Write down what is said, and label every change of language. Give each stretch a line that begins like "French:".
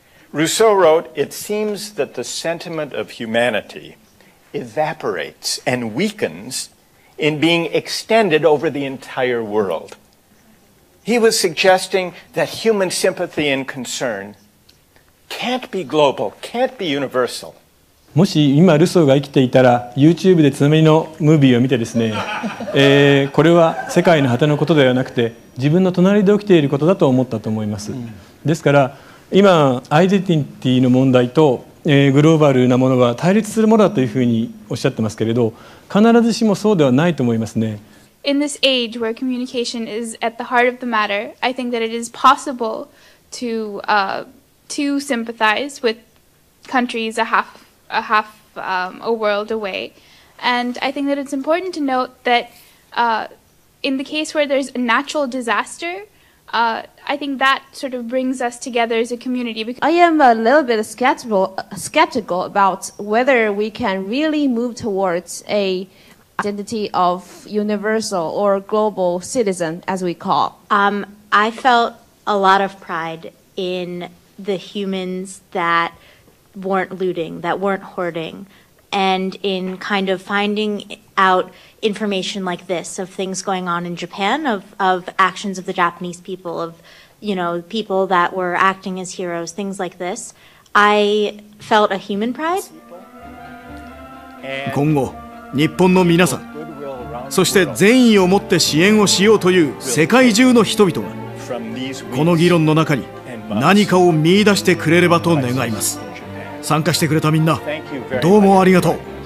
English: Rousseau wrote, "It seems that the sentiment of humanity evaporates and weakens in being extended over the entire world." He was suggesting that human sympathy and concern can't be global, can't be universal.
Japanese: もし今ルソーが生きていたら、 YouTube で津波のムービーを見てですね、これは世界の果てのことではなくて自分の隣で起きていることだと思ったと思います。ですから今アイデンティティの問題とグローバルなものは対立するものだというふうにおっしゃってますけれど、必ずしもそうではないと思いますね。
English: In this age where communication is at the heart of the matter, I think that it is possible to sympathize with countries a world away. And I think that it's important to note that in the case where there's a natural disaster, I think that sort of brings us together as a community. I am a little bit skeptical about whether we can really move towards a identity of universal or global citizen, as we call. I felt a lot of pride in the humans that weren't looting, that weren't hoarding, and in kind of finding out information like this of things going on in Japan, of actions of the Japanese people, of, you know, people that were acting as heroes, things like this. I felt a human pride.
Japanese: 今後、日本の皆さん、そして善意を持って支援をしようという世界中の人々が、この議論の中に何かを見出してくれればと願います。参加してくれたみんな、どうもありがとう。